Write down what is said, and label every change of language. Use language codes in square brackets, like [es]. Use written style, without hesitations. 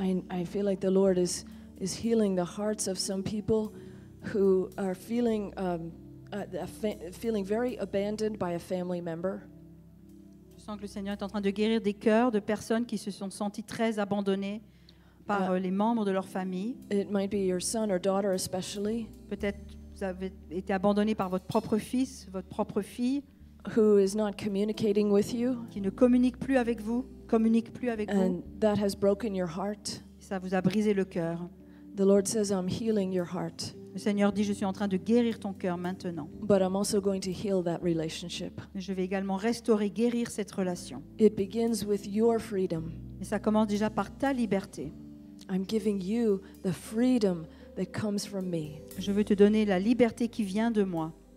[en] I feel like the Lord is healing the hearts of some people who are feeling very abandoned by a family member. [fr] Je sens que le Seigneur est en train de guérir des cœurs de personnes qui se sont senties très abandonnées par les membres de leur famille. [en] It might be your son or daughter especially. [fr] Peut-être vous avez été abandonné par votre propre fils, votre propre fille, [en] who is not communicating with you. [fr] Qui ne communique plus avec vous, communique plus avec [en] and [fr] vous. [en] And that has broken your heart. [fr] Ça vous a brisé le cœur. [en] The Lord says, I'm healing your heart. [fr] Le Seigneur dit, je suis en train de guérir ton cœur maintenant. [en] But I'm also going to heal that relationship. [fr] Je vais également restaurer, guérir cette relation. [en] It begins with your freedom. [fr] Et ça commence déjà par ta liberté. [en] I'm giving you the freedom that comes from me. [fr] Je veux te donner la liberté qui vient de moi.